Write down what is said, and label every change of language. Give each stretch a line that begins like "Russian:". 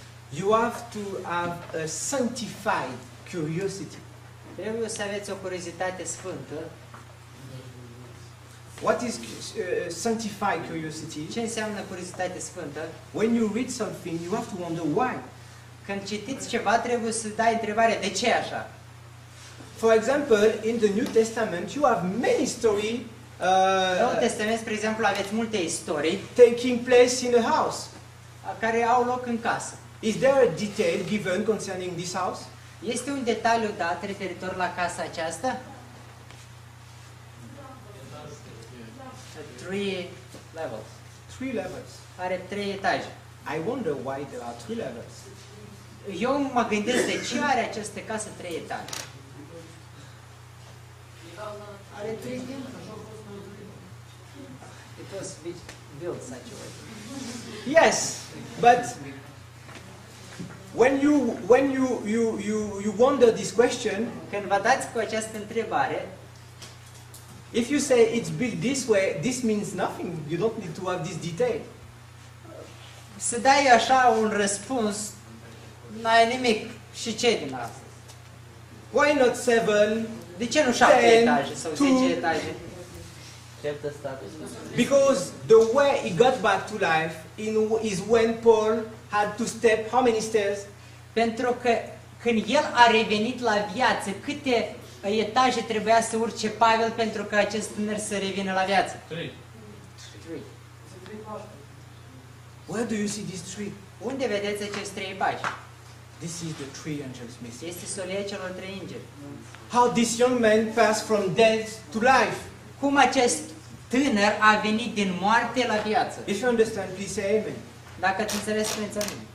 English: You have to have a sanctified curiosity.
Romanian: Trebuie să aveți o curiozitate sfântă.
English: What is sanctified curiosity?
Romanian: Ce înseamnă curiozitate sfântă?
English: When you read something, you have to wonder why.
Romanian: Când citiți ceva, trebuie să dai întrebarea de ce așa.
English: For example, in the New Testament, you have many stories
Romanian: Noul Testament, spre exemplu, aveți multe istorii
English: taking place in a house.
Romanian: Care au loc în casă.
English: Is there a detail given concerning this house?
Romanian: Este un detaliu dat referitor la casa aceasta?
English: Three levels.
Romanian: Are trei etaje.
English: I wonder why there are three levels.
Romanian: Eu mă gândesc de ce are această casă trei etaje. Are trei dintre.
English: It was built such a way. Yes, but when you wonder this question,
Romanian: când vă dați cu această întrebare,
English: if you say it's built this way, this means nothing. You don't need to have this detail.
Romanian: Să dai așa un răspuns, n-ai nimic. Și ce din asta?
English: Why not seven?
Romanian: De ce nu 7 etaje sau 10 etaje?
English: Because the way he got back to life is when Paul had to step how many stairs?
Romanian: Pentru că când el a revenit la viață, câte etaje trebuia să urce Pavel pentru ca acest tânăr să revină la viață?
English: Three. Where do you see these three?
Romanian: Unde vedeți acești trei pași?
English: This is the three angels missing.
Romanian: Este solia celor trei îngeri.
English: How this young man passed from death to life?
Romanian: Cum acest tânăr a venit din moarte la viață?
English: If you understand, please say amen.
Romanian: Dacă ați înțeles, spuneți amin.